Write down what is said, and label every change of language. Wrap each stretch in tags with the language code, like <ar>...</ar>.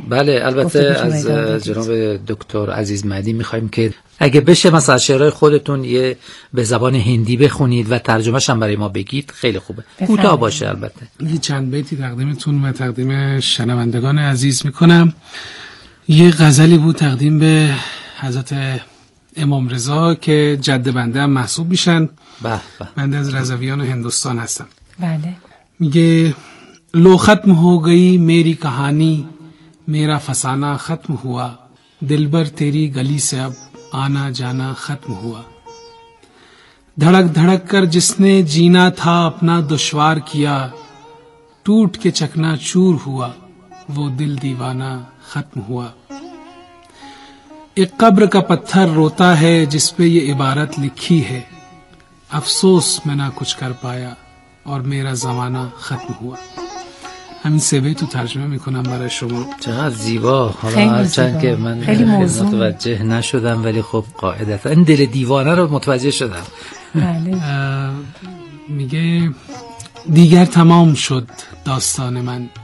<fa>بله البته از جناب دکتر عزیز مهدی میخواییم که اگه بشه مثلا شعرهای خودتون یه به زبان هندی بخونید و ترجمهش هم برای ما بگید خیلی خوبه، کوتاه باشه البته. یه چند بیتی تقدیمتون و تقدیم شنوندگان عزیز میکنم. یه غزلی بود تقدیم به حضرت امام رضا که جد بنده هم محسوب میشن. بله بنده از رضویان هندوستان هستم. بله. میگه</fa> <ur>لو ختم ہو گئی میری کہانی میرا فسانہ ختم ہوا دلبر تیری گلی سے اب آنا جانا ختم ہوا دھڑک دھڑک کر جس نے جینا تھا اپنا دشوار کیا ٹوٹ کے چکنا چور ہوا وہ دل دیوانہ ختم ہوا ایک قبر کا پتھر روتا ہے جس پہ یہ عبارت لکھی ہے افسوس میں نہ کچھ کر پایا اور میرا زمانہ ختم ہوا.</ur> <fa>همین سه بیت تو ترجمه میکنم برای شما. چقدر زیبا. حالا هرچند که من خیلی متوجه نشدم ولی خب قاعدتا این دل دیوانه رو متوجه شدم. میگه دیگر تمام شد داستان من.</fa>